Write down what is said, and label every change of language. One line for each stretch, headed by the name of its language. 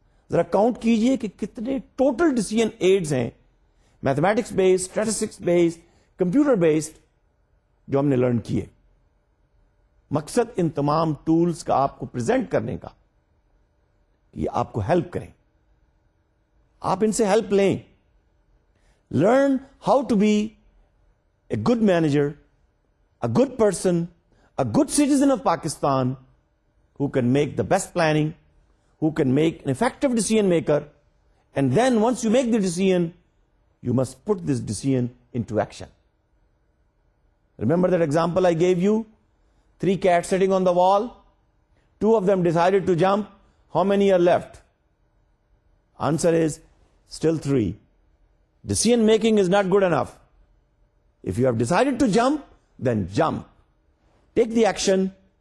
Urdu: ذرا کاؤنٹ کیجئے کہ کتنے ٹوٹل ڈیسیژن ایڈز ہیں, mathematics based, statistics based, computer based, جو ہم نے لرن کیے. مقصد ان تمام ٹولز کا آپ کو پریزنٹ کرنے کا, یہ آپ کو ہیلپ کریں, آپ ان سے ہیلپ لیں.
English: Learn how to be a good manager, a good person, a good citizen of Pakistan, who can make the best planning, who can make an effective decision maker, and then once you make the decision you must put this decision into action. Remember that example I gave you? Three cats sitting on the wall. Two of them decided to jump. How many are left? Answer is still three. Decision making is not good enough. If you have decided to jump, then jump. Take the action.